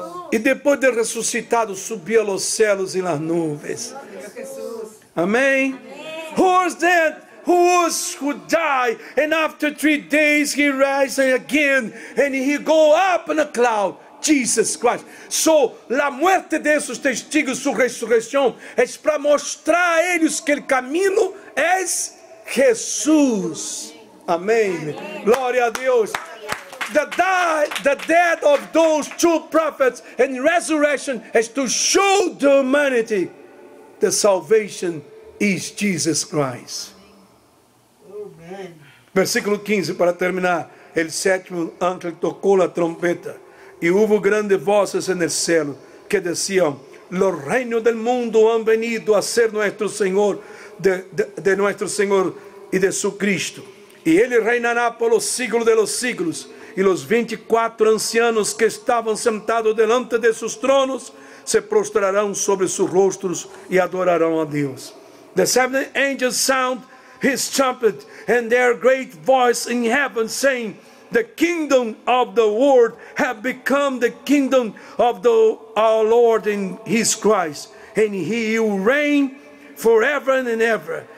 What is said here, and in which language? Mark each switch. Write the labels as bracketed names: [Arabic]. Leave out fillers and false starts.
[Portuguese] E depois de ressuscitado subiu aos céus e nas nuvens. [English] Amém. Who is that? Who died? And after 3 days he rises again and he go up in a cloud. Jesus Christ. [Portuguese] So, a morte desses testigos, sua ressurreição é para mostrar a eles que o caminho é Jesus. Amém. Glória a Deus. [English] The death of those two prophets and resurrection is to show the humanity the salvation is Jesus Christ. [Portuguese] Amen. Versículo 15, para terminar. O sétimo anjo tocou a trompeta e houve grandes vozes no céu que diziam: [Spanish] los reinos del mundo han venido a ser nuestro Senhor, de nuestro Senhor e de su Cristo. [Portuguese] E ele reinará pelos siglos de los siglos. E os 24 ancianos que estavam sentados delante de seus tronos se prostrarão sobre seus rostros e adorarão a Deus. [English] The seven angels sound his trumpet and their great voice in heaven saying, the kingdom of the world have become the kingdom of the our Lord and his Christ, and he will reign forever and ever.